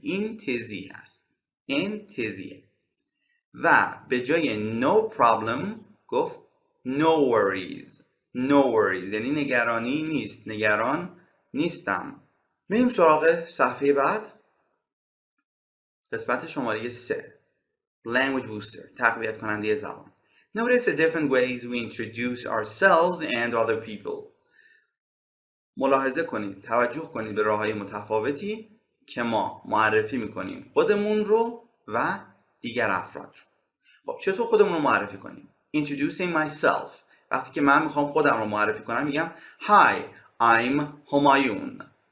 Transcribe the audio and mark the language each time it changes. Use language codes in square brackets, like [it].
[fa] این Tizzy هست. این Tizzy. و به جای [en] no problem [fa] گفت [en] no worries. [fa] یعنی نگرانی نیست. نگران نیستم. میریم سراغ صفحه بعد. قسمت شماره 3. [en] Language booster, [fa] تقویت کننده زبان. [en] Notice the different ways we introduce ourselves and other people. [fa] ملاحظه کنید، توجه کنید به راه‌های متفاوتی که ما معرفی می‌کنیم خودمون رو و دیگر افراد رو. خب چطور خودمون رو معرفی کنیم؟ [en] Introducing myself. [fa] وقتی که من می‌خوام خودم رو معرفی کنم میگم [en] Hi, I'm Humayun.